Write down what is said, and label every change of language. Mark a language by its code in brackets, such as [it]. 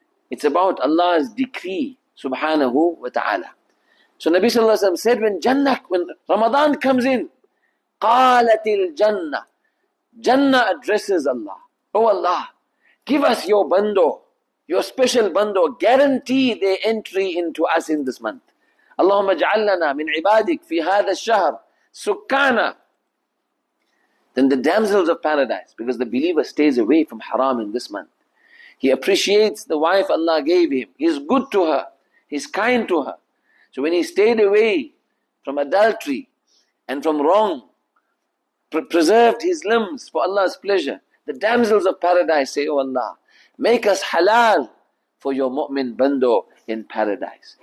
[en] It's about Allah's decree subhanahu wa ta'ala. So Nabi sallallahu alayhi wa sallam said, when Ramadan comes in, [ar] قَالَتِ الْجَنَّةِ. [en] Jannah addresses Allah. Oh Allah, give us your bando, your special bando, guarantee their entry into us in this month. [ar] اللهم اجعلنا من عبادك في هذا الشهر سكانا. [en] Then the damsels of paradise, because the believer stays away from haram in this month. He appreciates the wife Allah gave him. He's good to her. He's kind to her. So when he stayed away from adultery and from wrong, preserved his limbs for Allah's pleasure, the damsels of paradise say, oh Allah, make us halal for your mu'min bando in paradise.